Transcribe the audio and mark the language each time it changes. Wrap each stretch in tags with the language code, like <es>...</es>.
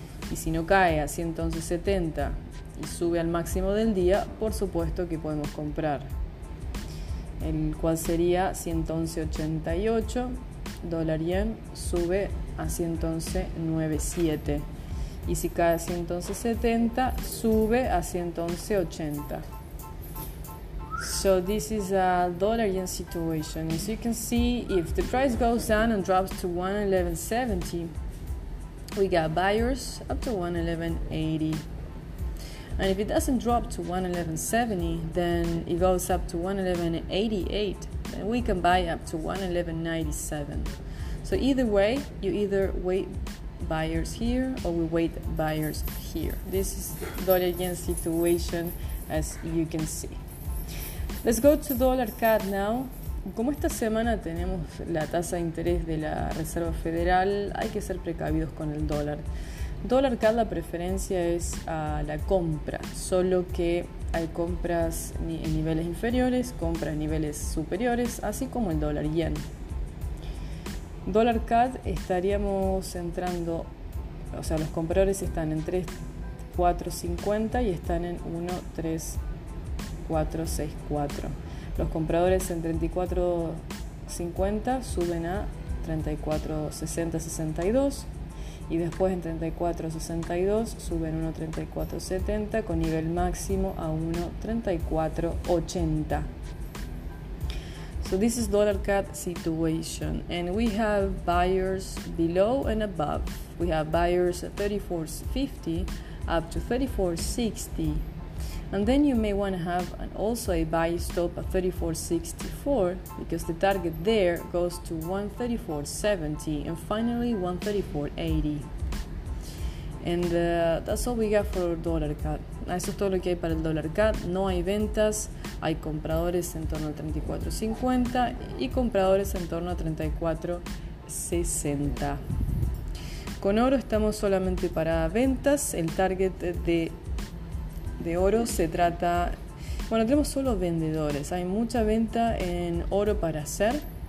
<es>Y si no cae a 111.70 y sube al máximo del día, por supuesto que podemos comprar, el cual sería 111.88, dólar yen sube a 111.97, y si cae a 111.70 sube a 111.80.</es> <en>So this is a dollar yen situation. As you can see, if the price goes down and drops to 111.70, we got buyers up to 111.80. And if it doesn't drop to 111.70, then it goes up to 111.88, then we can buy up to 111.97. So either way, you either wait buyers here or we wait buyers here. This is dollar yen situation, as you can see. Let's go to dollar CAD now.</en> <es>Como esta semana tenemos la tasa de interés de la Reserva Federal, hay que ser precavidos con el dólar. Dollar CAD, la preferencia es a la compra, solo que hay compras en niveles inferiores, compras en niveles superiores, así como el dólar yen. Dollar CAD estaríamos entrando, o sea, los compradores están en 3.450 y están en 1.3464. Los compradores en 34.50 suben a 34.60-62 y después en 34.62 suben 1.3470 con nivel máximo a 1.3480.</es> <en>So this is dollar CAD situation, and we have buyers below and above. We have buyers at 34.50 up to 34.60. And then you may want to have an also a buy stop at 34.64 because the target there goes to 134.70 and finally 134.80. And that's all we got for dollar CAD.</en> <es>Eso es todo lo que hay para el dólar CAD. No hay ventas, hay compradores en torno a 34.50 y compradores en torno a 34.60. Con oro estamos solamente para ventas. El target de oro se trata, bueno, tenemos solo vendedores, hay mucha venta en oro para hacer.</es>